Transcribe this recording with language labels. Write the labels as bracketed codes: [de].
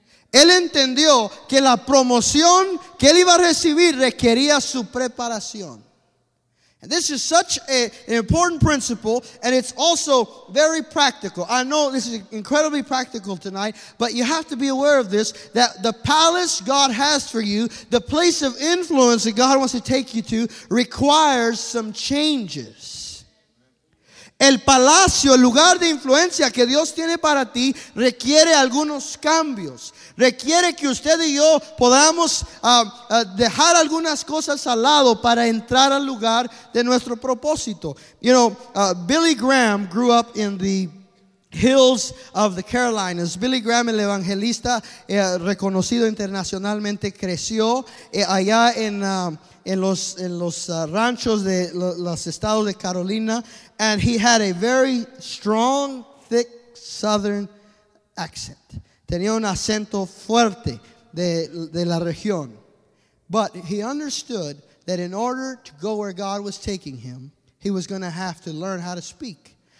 [es] Él entendió que la promoción que él iba a recibir requería su preparación. [en] And this is such an important principle, and it's also very practical. I know this is incredibly practical tonight, but you have to be aware of this, that the palace God has for you, the place of influence that God wants to take you to, requires some changes. [es] El palacio, el lugar de influencia que Dios tiene para ti, requiere algunos cambios. Requiere que usted y yo podamos dejar algunas cosas al lado para entrar al lugar de nuestro propósito. [en] You know, Billy Graham grew up in the hills of the Carolinas. [es] Billy Graham, el evangelista reconocido internacionalmente, creció allá en los ranchos de los estados de Carolina. [en] And he had a very strong, thick southern accent. [es] Tenía un acento fuerte de la región. [en] But he understood that in order to go where God was taking him, he was going to have to learn how to speak.